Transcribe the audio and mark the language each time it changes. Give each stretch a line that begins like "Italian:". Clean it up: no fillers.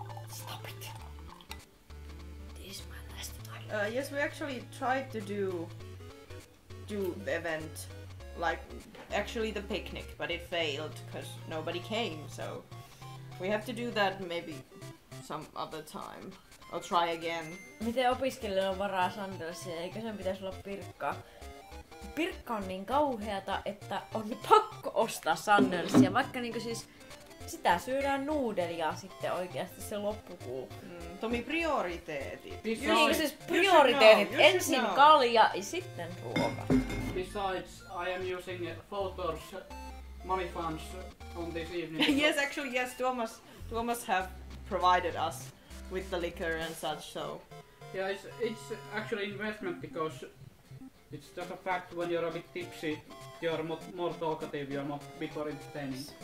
English: Stop it. This is my last time. Yes, we actually tried to do the event. Like, actually the picnic, but it failed because nobody came, so we have to do that maybe some other time. I'll try again.
Finnish: Miten opiskelijalla on varaa sandalsia, eikö sen pitäisi olla pirkkaa? Pirkka on niin kauheata, että on pakko ostaa sandalsia, vaikka niinku siis sitä syödään nuudelia sitten oikeasti se loppukuu. Tomi, prioriteetit. Niinku siis prioriteetit. Ensin kalja ja sitten ruoka.
English: Besides, I am using Photour's money funds on this evening. Yes, actually, yes, Tuomas have provided us with the liquor and such, so... Yeah, it's actually investment because it's just a fact when you're a bit tipsy, you're more talkative, you're a bit more entertaining.